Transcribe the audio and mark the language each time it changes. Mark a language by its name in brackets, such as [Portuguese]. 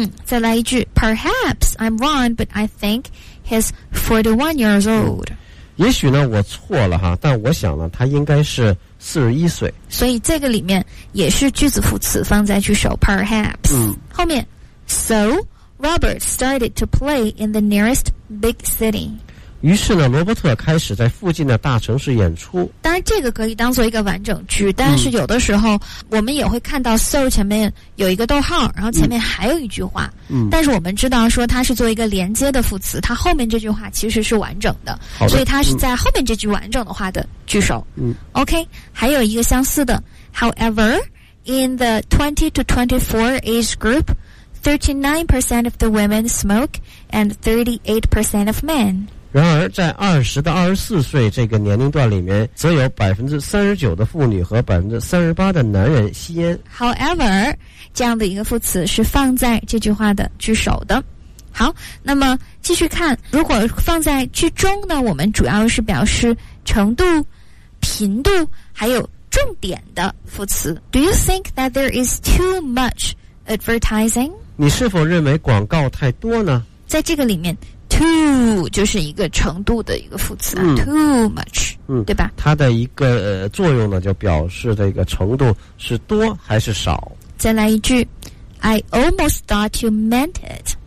[Chinese] 再来一句， [English] perhaps I'm wrong but I think he's 41 years old， [Chinese] 也许呢我错了哈，但我想呢他应该是41岁。所以这个里面也是句子副词放在句首 perhaps。后面 [English] soRobert started to play in the nearest big city， [Chinese] 于是呢罗伯特开始在附近的大城市演出。当然这个可以当做一个完整句，但是有的时候我们也会看到 so 前面有一个逗号，然后前面还有一句话。但是我们知道说它是做一个连接的副词，它后面这句话其实是完整 的，所以它是在后面这句完整的话的句首。 [English] OK， [Chinese] 还有一个相似的， [English] However in the 20 to 24 age group 39% of the women smoke and 38% of men. [Chinese] 然而在20到24岁这个年龄段里面，则有 39% 的妇女和 38% 的男人吸烟。 However, 这样的一个副词是放在这句话的句首的。好，那么继续看，如果放在句中呢，我们主要是表示程度、频度还有重点的副词。 [English] Do you think that there is too much advertising? [Chinese] 你是否认为广告太多呢？在这个里面 too 就是一个程度的一个副词、啊嗯、 [English] too much、嗯、 [Chinese] 对吧，它的一个、作用呢，就表示这个程度是多还是少。再来一句， [English] I almost thought you meant it。